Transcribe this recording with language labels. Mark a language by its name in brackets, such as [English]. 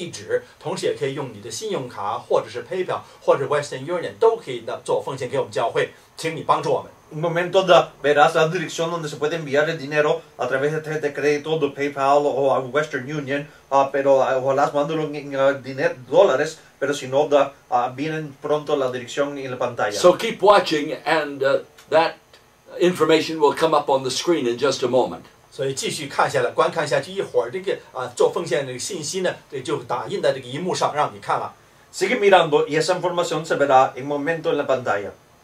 [Chinese] 你要是做奉献献给我们教会的话，你可以写支票，一会儿呢，荧幕上在底下就可以看到这些寄给我们这个地址，同时也可以用你的信用卡或者是 PayPal 或者 Western Union 都可以做奉献给我们教会，请你帮助我们。 [Spanish] Un momento, verás la dirección donde se puede enviar el dinero a través de crédito, de PayPal o Western Union, pero ojalá mándalo en dólares, pero si no, vienen pronto la dirección en la pantalla. [English] So keep watching, and that information will come up on the screen in just a moment. [Chinese] 所以继续看下来，观看下去，一会儿这个 做奉献的信息呢，就打印在这个荧幕上，让你看了。 [Spanish] Sigue mirando y esa información se verá en momento en la pantalla.